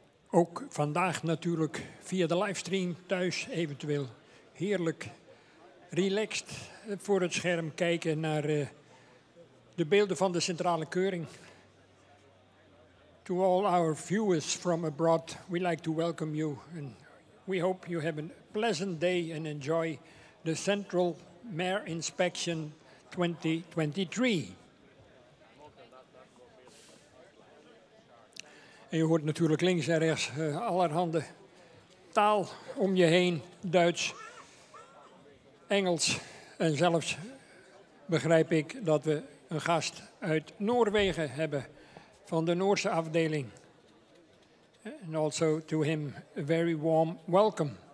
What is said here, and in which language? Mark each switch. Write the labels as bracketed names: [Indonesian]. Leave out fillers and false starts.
[Dutch] Ook vandaag natuurlijk via de livestream thuis eventueel heerlijk relaxed voor het scherm kijken naar de beelden van de centrale keuring. [English] To all our viewers from abroad, we like to welcome you and we hope you have a pleasant day and enjoy the Central Mare Inspection 2023. [Dutch] En je hoort natuurlijk links en rechts allerhande taal om je heen. Duits, Engels en zelfs begrijp ik dat we een gast uit Noorwegen hebben van de Noorse afdeling. [English] And also to him a very warm welcome.